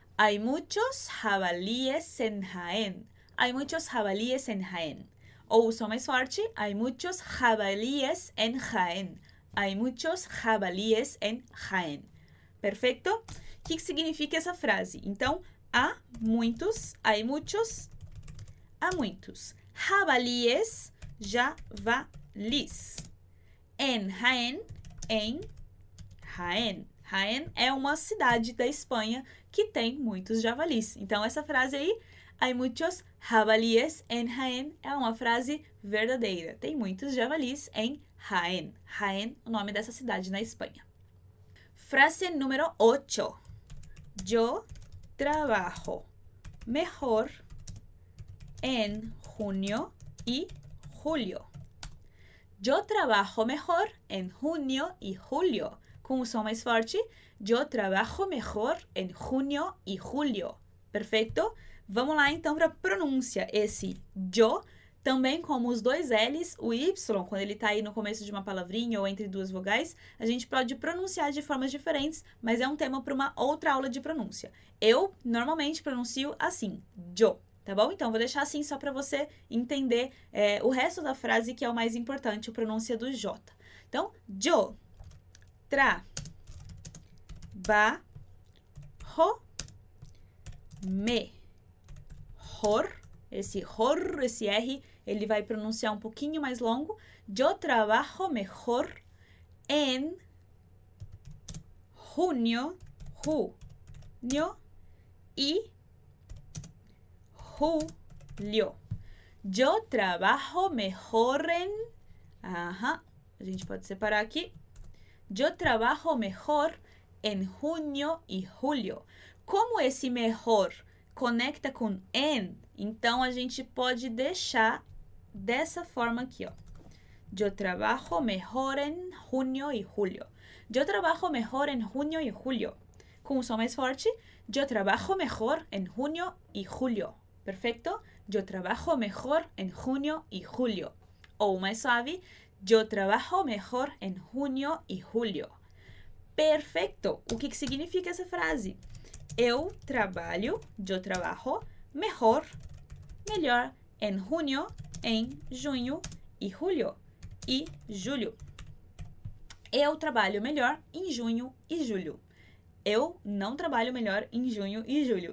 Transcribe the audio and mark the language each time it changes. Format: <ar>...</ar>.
<es>Hay muchos jabalíes en Jaén. Hay muchos jabalíes en Jaén.</es> <pt>Ou o som mais forte,</pt> <es>hay muchos jabalíes en Jaén. Hay muchos jabalíes en Jaén.</es> <pt>Perfeito? O que significa essa frase? Então, há muitos,</pt> <es>hay muchos,</es> <pt>há muitos. Jabalíes, javalis. En Jaén, em Jaén. Jaén é uma cidade da Espanha que tem muitos javalis. Então, essa frase aí.</pt> <es>Hay muchos jabalíes en Jaén.</es> <pt>É uma frase verdadeira. Tem muitos javalis em Jaén. Jaén, o nome dessa cidade na Espanha. Frase número 8.</pt> <es>Yo trabajo mejor en junio y julio. Yo trabajo mejor en junio y julio.</es> <pt>Com o som mais forte.</pt> <es>Yo trabajo mejor en junio y julio.</es> <pt>Perfeito? Vamos lá então para a pronúncia. Esse yo, também como os dois L's, o Y, quando ele está aí no começo de uma palavrinha ou entre duas vogais, a gente pode pronunciar de formas diferentes, mas é um tema para uma outra aula de pronúncia. Eu normalmente pronuncio assim, yo, tá bom? Então vou deixar assim só para você entender o resto da frase que é o mais importante, a pronúncia do J. Então, yo, tra, ba, ho, mejor. Esse hor, esse R, ele vai pronunciar um pouquinho mais longo.</pt> <es>Yo trabajo mejor en junio, junio y julio. Yo trabajo mejor en...</es> <pt>Ajá, a gente pode separar aqui.</pt> <es>Yo trabajo mejor en junio y julio.</es> <pt>Como esse mejor conecta com en, então a gente pode deixar dessa forma aqui, ó.</pt> <es>Yo trabajo mejor en junio y julio. Yo trabajo mejor en junio y julio.</es> <pt>Com o som mais forte,</pt> <es>yo trabajo mejor en junio y julio. Perfecto? Yo trabajo mejor en junio y julio.</es> <pt>Ou mais suave,</pt> <es>yo trabajo mejor en junio y julio. Perfecto!</es> <pt>O que significa essa frase? Eu trabalho,</pt> <es>yo trabajo,</es> <pt>mejor, melhor, en junio, en junho y julio. E julho. Eu trabalho melhor em junho e julho. Eu não trabalho melhor em junho e julho.</pt>